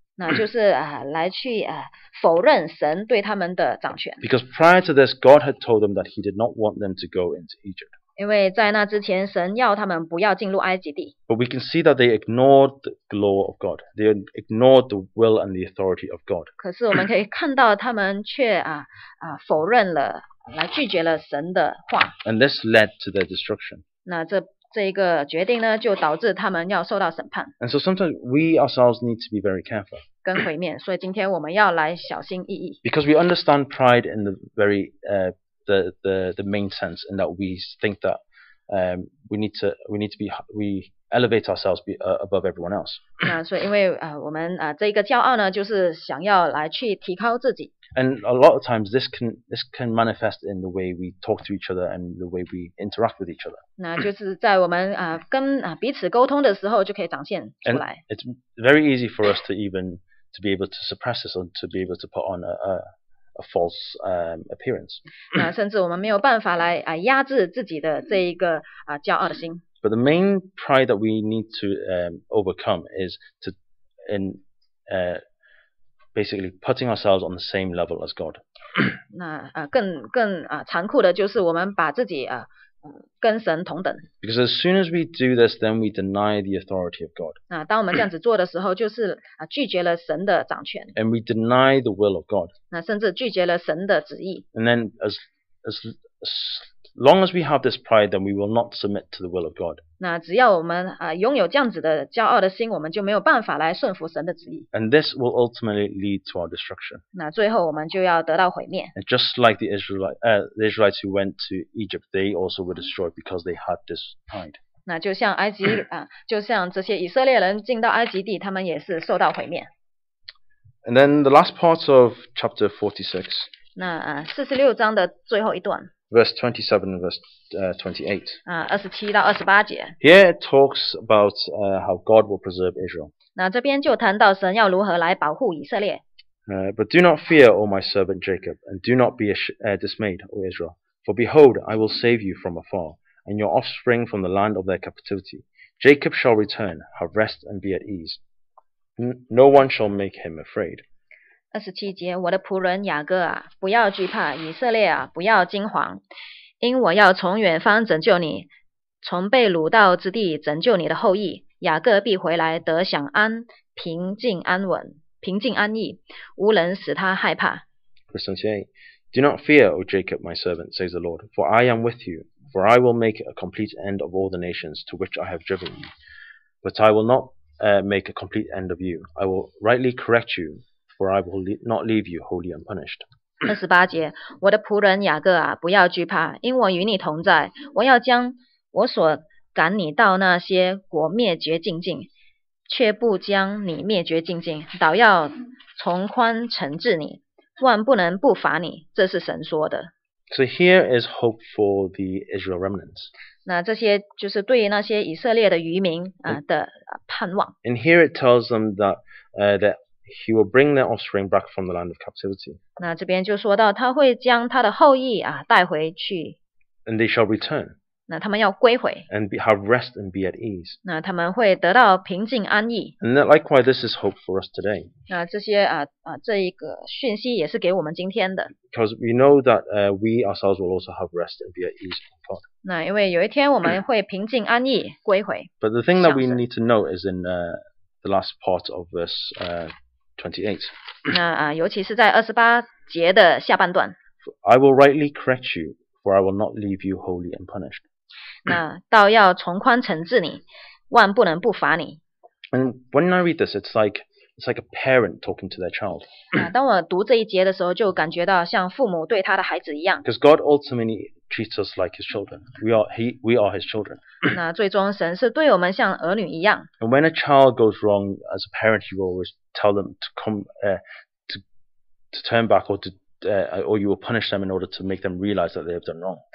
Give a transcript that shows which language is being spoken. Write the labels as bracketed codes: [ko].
[zh] 那就是来去否认神对他们的掌权。 [en] Because prior to this, God had told them that he did not want them to go into Egypt. [zh] 因为在那之前，神要他们不要进入埃及地。 [en] But we can see that they ignored the law of God. They ignored the will and the authority of God. [zh] 可是我们可以看到，他们却否认了，来拒绝了神的话。 [en] And this led to their destruction. [zh] 那这一个决定呢，就导致他们要受到审判。 [en] And so sometimes we ourselves need to be very careful. [zh] 跟毁灭，所以今天我们要来小心翼翼。 [en] Because we understand pride in the very the main sense in that we think that we elevate ourselves above everyone else. [zh] 那所以因为我们这个骄傲呢，就是想要来去提高自己。 [en] And a lot of times this can manifest in the way we talk to each other and the way we interact with each other. [zh] 那就是在我们跟彼此沟通的时候就可以展现出来。 [en] And it's very easy for us to be able to suppress this or to be able to put on a false appearance. [zh] 那甚至我们没有办法来压制自己的这一个骄傲的心。 [en] But the main pride that we need to overcome is to in basically putting ourselves on the same level as God. [zh] 那更残酷的就是我们把自己跟神同等。 [en] Because as soon as we do this, then we deny the authority of God. [zh] 那当我们这样子做的时候，就是拒绝了神的掌权。 [en] And we deny the will of God. [zh] 那甚至拒绝了神的旨意。 [en] And then as long as we have this pride, then we will not submit to the will of God. [zh] 那只要我们拥有这样子的骄傲的心，我们就没有办法来顺服神的旨意。 [en] And this will ultimately lead to our destruction. [zh] 那最后我们就要得到毁灭。 [en] And just like the Israelites who went to Egypt, they also were destroyed because they had this pride. [zh] 那就像埃及就像这些以色列人进到埃及地，他们也是受到毁灭。 [en] And then the last part of chapter 46. [zh] 那46章的最后一段。 [en] Verse 27 and verse 28. Here it talks about how God will preserve Israel. 那这边就谈到神要如何来保护以色列。 But do not fear, O my servant Jacob, and do not be dismayed, O Israel. For behold, I will save you from afar, and your offspring from the land of their captivity. Jacob shall return, have rest and be at ease. No one shall make him afraid. [zh] 二十七节，我的仆人雅各啊，不要惧怕；以色列啊，不要惊惶，因我要从远方拯救你，从被掳到之地拯救你的后裔。雅各必回来得享安，平静安稳，平静安逸，无人使他害怕。 [en] Verse 28, Do not fear, O Jacob, my servant, says the Lord, for I am with you, for I will make a complete end of all the nations to which I have driven you, but I will not make a complete end of you. I will rightly correct you. For I will not leave you wholly unpunished. [zh] 二十八节，我的仆人雅各啊，不要惧怕，因我与你同在。我要将我所赶你到那些国灭绝尽尽，却不将你灭绝尽尽，倒要从宽惩治你，万不能不罚你。这是神说的。 [en] So here is hope for the Israel remnants. [zh] 那这些就是对于那些以色列的渔民的盼望。 [en] And here it tells them that. He will bring their offspring back from the land of captivity. [zh] 那这边就说到，他会将他的后裔带回去。 [en] And they shall return. [zh] 那他们要归回。 [en] And have rest and be at ease. [zh] 那他们会得到平静安逸。 [en] And that, likewise, this is hope for us today. [zh] 那这些这一个讯息也是给我们今天的。 [en] Because we know that we ourselves will also have rest and be at ease from God. [zh] 那因为有一天我们会平静安逸归回。 [en] But the thing that we need to know is in the last part of verse. 28. [zh] 那尤其是在二十八节的下半段。 [en] I will rightly correct you, for I will not leave you wholly unpunished. [zh] 那倒要从宽惩治你，万不能不罚你。 [en] And when I read this, it's like It's like a parent talking to their child. [zh] 当我读这一节的时候，就感觉到像父母对他的孩子一样。 [en] Because God ultimately treats us like His children. We are His children. [zh] 那最终神是对我们像儿女一样。 [en] And when a child goes wrong, as a parent, you always tell them to come to turn back or you will punish them in order to make them realize that they have done wrong.